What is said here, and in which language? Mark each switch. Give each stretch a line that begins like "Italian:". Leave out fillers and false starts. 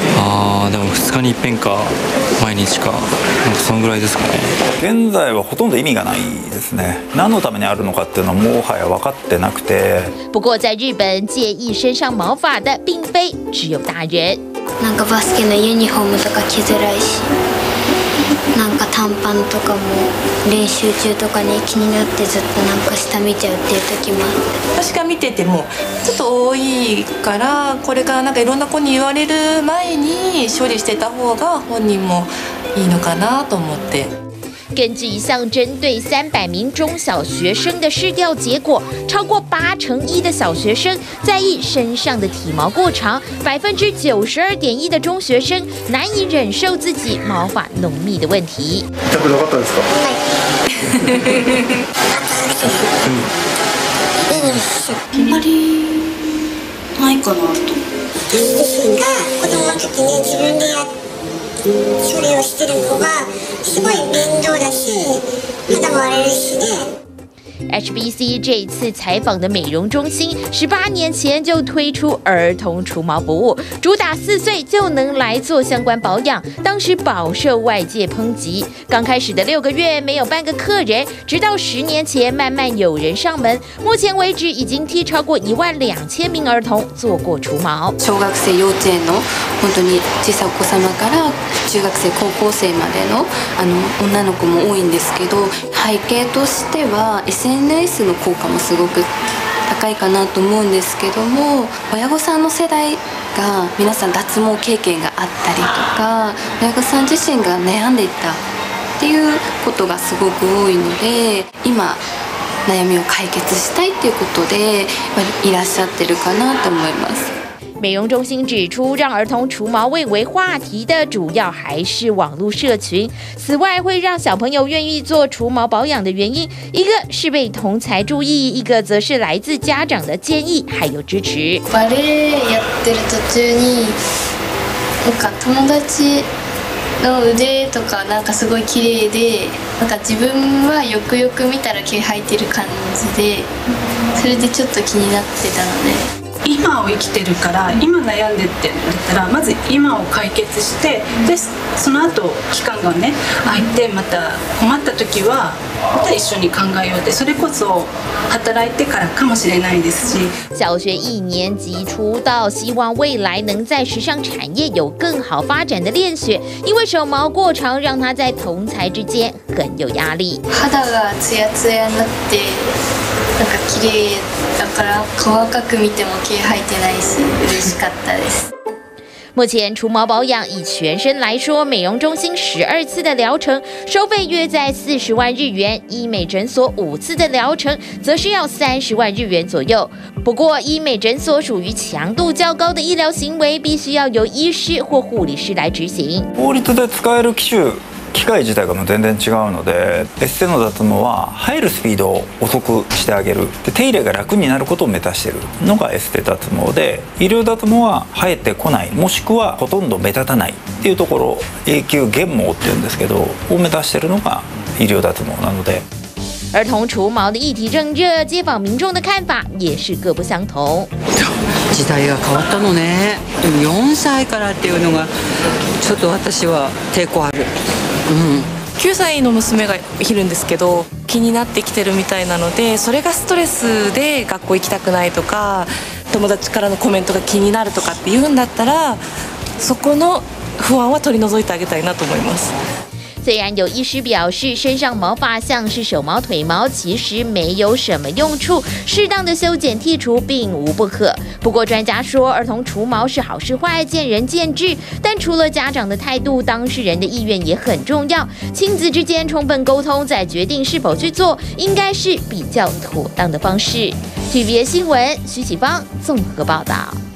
Japanese: 啊，でも2日に一遍か、毎日か、なんかそのぐらいですかね。現在はほとんど意味がないですね。何のためにあるのかっていうのはもはや分かってなくて。
Chinese: 不过在日本，介意身上毛发的并非只有大人。
Japanese: なんかバスケのユニフォームとか着づらいし。なんか短パンとかも練習中とかね気になってずっとなんか下見ちゃうっていう時もあって私が見ててもちょっと多いからこれからなんかいろんな子に言われる前に処理してた方が本人もいいのかなと思って。
Chinese: 根据一项针对300名中小学生的试调结果，超过81%的小学生在意身上的体毛过长，92.1%的中学生难以忍受自己毛发浓密的问题。
Japanese: 全部良かったですか？はい。あんまりないかなと。自分が子供の時に自分でやって処理をしてる方がすごい面倒だし、肌も荒れるしね。
Chinese: HBC 这一次采访的美容中心18年前就推出儿童除毛服务，主打4岁就能来做相关保养，当时饱受外界抨击。刚开始的6个月没有半个客人，直到10年前慢慢有人上门，目前为止已经替超过12000名儿童做过除毛。
Japanese: 小学生幼稚園の本当に小さいお子様から中学生高校生までの女の子も多いんですけど、背景としてはSNS の効果もすごく高いかなと思うんですけども、親御さんの世代が皆さん脱毛経験があったりとか、親御さん自身が悩んでいたっていうことがすごく多いので、今悩みを解決したいということでいらっしゃってるかなと思います。
Chinese: 美容中心指出，让儿童除毛蔚为话题的主要还是网络社群。此外，会让小朋友愿意做除毛保养的原因，一个是被同侪注意，一个则是来自家长的建议还有支持。
Japanese: バレーやってる途中に、なんか友達の腕とかなんかすごい綺麗で、なんか自分はよくよく見たら毛生えてる感じで、それでちょっと気になってたので。今を生きてるから今悩んでって言ったらまず今を解決してでその後期間がね空いてまた困った時はまた一緒に考えようってそれこそ働いてからかもしれないですし
Chinese: 小学一年级出道希望未来能在时尚产业有更好发展的恋雪因为手毛过长让他在同侪之间很有压力
Japanese: 肌がツヤツヤになってなんか綺麗だから細かく見ても毛生えてないし嬉しかったです。
Chinese: 目前除毛保养以全身来说，美容中心12次的疗程收费约在40万日元，医美诊所5次的疗程则是要30万日元左右。不过，医美诊所属于强度较高的医疗行为，必须要由医师或护理师来执行。
Japanese: 法律で使える機種機械自体が全然違うので、エステの脱毛は入るスピードを遅くしてあげる、で手入れが楽になることを目指しているのがエステ脱毛で、医療脱毛は生えてこない、もしくはほとんど目立たないっていうところ、永久減毛って言うんですけど、を目指しているのが医療脱毛なので。
Chinese: 儿童除毛的议题正热，街坊民众的看法也是各不相同。
Japanese: 時代が変わったのね。でも4歳からっていうのがちょっと私は抵抗ある。 9歳の娘がいるんですけど気になってきてるみたいなのでそれがストレスで学校行きたくないとか友達からのコメントが気になるとかって言うんだったらそこの不安は取り除いてあげたいなと思います。
Chinese: 虽然有医师表示身上毛发像是手毛腿毛其实没有什么用处适当的修剪剔除并无不可不过专家说儿童除毛是好是坏见仁见智但除了家长的态度当事人的意愿也很重要亲子之间充分沟通再决定是否去做应该是比较妥当的方式 TVBS 新闻徐启芳综合报道。